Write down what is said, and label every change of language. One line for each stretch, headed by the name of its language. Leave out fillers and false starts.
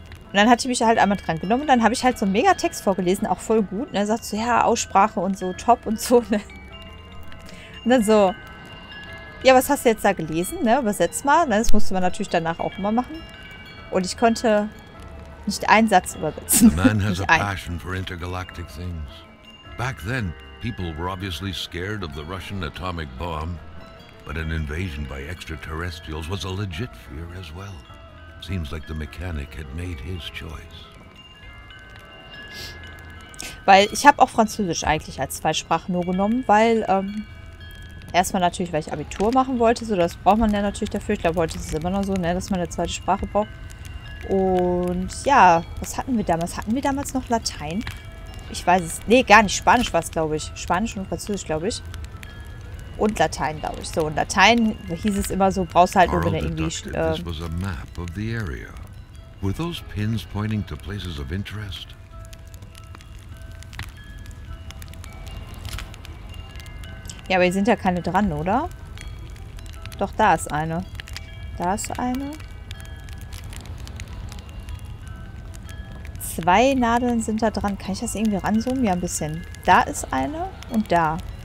German: Und dann hat sie mich halt einmal dran genommen und dann habe ich halt so einen Megatext vorgelesen, auch voll gut, ne? Sagt so, ja, Aussprache und so, top und so, ne? Und dann so, ja, was hast du jetzt da gelesen, ne? Übersetzt mal. Ne? Das musste man natürlich danach auch immer machen. Und ich konnte nicht einen Satz übersetzen.
English: The man has a passion for intergalactic things. Back then, people were obviously scared of the Russian atomic bomb. But an invasion by extraterrestrials was a legit fear as well. Seems like the mechanic had made his choice.
German: Weil ich habe auch Französisch eigentlich als Zweitsprache nur genommen, weil erstmal natürlich, weil ich Abitur machen wollte, so das braucht man ja natürlich dafür. Ich glaube, heute ist es immer noch so, ne, dass man eine zweite Sprache braucht. Und ja, was hatten wir damals? Hatten wir damals noch Latein? Ich weiß es. Nee, gar nicht. Spanisch war es, glaube ich. Spanisch und Französisch, glaube ich. Und Latein, glaube ich. So, und Latein hieß es immer so, brauchst halt nur, wenn er irgendwie
English: this was a map of the area. Were those pins pointing to places of interest?
German: Ja, aber hier sind ja keine dran, oder? Doch, da ist eine. Da ist eine. Zwei Nadeln sind da dran. Kann ich das irgendwie ranzoomen? Ja, ein bisschen. Da ist eine und da.